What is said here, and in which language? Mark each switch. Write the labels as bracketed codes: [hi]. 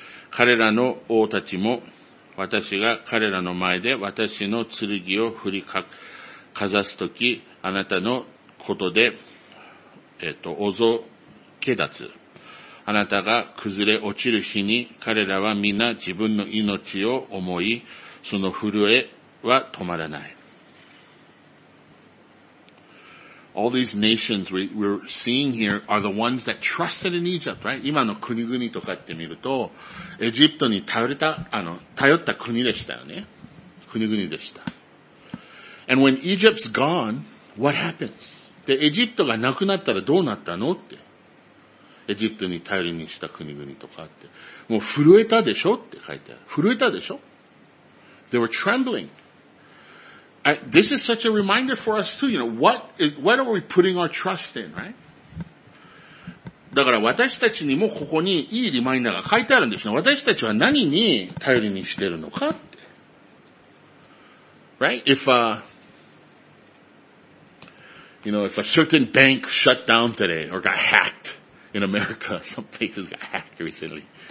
[ja] 彼らの王たちも、私が彼らの前で私の剣を振りかざすとき、あなたのことで、おぞけ立つ。あなたが崩れ落ちる日に、彼らは皆自分の命を思い、その震えは止まらない。 [en] All these nations we're seeing here are the ones that trusted in Egypt, right? [ja] 今の国々とかって見ると、エジプトに頼った国でしたよね。国々でした。 [en] And when Egypt's gone, what happens? [ja] で、エジプトがなくなったらどうなったのって。エジプトに頼りにした国々とかって。もう震えたでしょって書いてある。震えたでしょ [en] ?They were trembling. This is such a reminder for us too, you know, what are we putting our trust in, right? [ja] だから私たちにもここにいいリマインダーが書いてあるんですよ。私たちは何に頼りにしてるのかって。 [en] Right? If a certain bank shut down today or got hacked in America, some places got hacked recently.